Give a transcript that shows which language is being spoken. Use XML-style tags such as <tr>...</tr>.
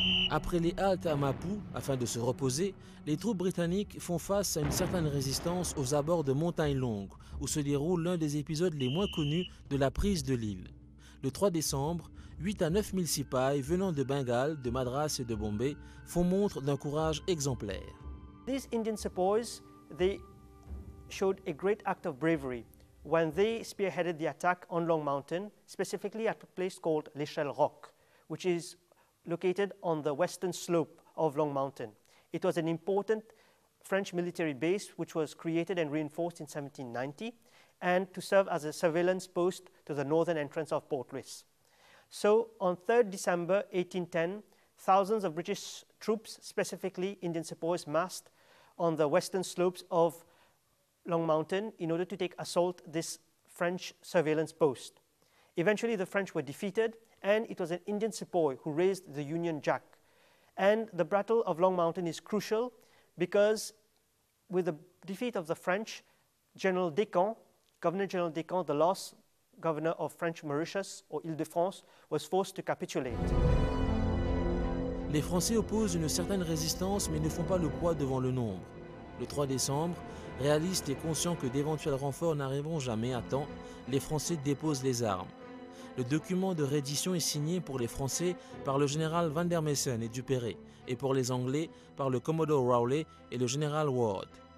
<fr>Après les haltes à Mapou, afin de se reposer, les troupes britanniques font face à une certaine résistance aux abords de Montagne Longue, où se déroule l'un des épisodes les moins connus de la prise de l'île. Le 3 décembre, 8 à 9 000 sipailles venant de Bengale, de Madras et de Bombay font montre d'un courage exemplaire.</fr> <en>These Indian sepoys, they showed a great act of bravery when they spearheaded the attack on Long Mountain, specifically at a place called L'Échelle Rock, which is located on the western slope of Long Mountain. It was an important French military base which was created and reinforced in 1790 and to serve as a surveillance post to the northern entrance of Port Louis. So on 3rd December 1810, thousands of British troops, specifically Indian sepoys, massed on the western slopes of Long Mountain in order to take assault this French surveillance post. Eventually the French were defeated and it was an Indian sepoy who raised the Union Jack. And the Battle of Long Mountain is crucial because with the defeat of the French, General Descamps, Governor General Descamps, the last governor of French Mauritius or Île-de-France, was forced to capitulate.</en> <fr>Les Français opposent une certaine résistance mais ne font pas le poids devant le nombre. Le 3 décembre, réalistes et conscients que d'éventuels renforts n'arriveront jamais à temps, les Français déposent les armes. Le document de reddition est signé pour les Français par le général Van der Messen et Dupéré et pour les Anglais par le commodore Rowley et le général Ward.</fr>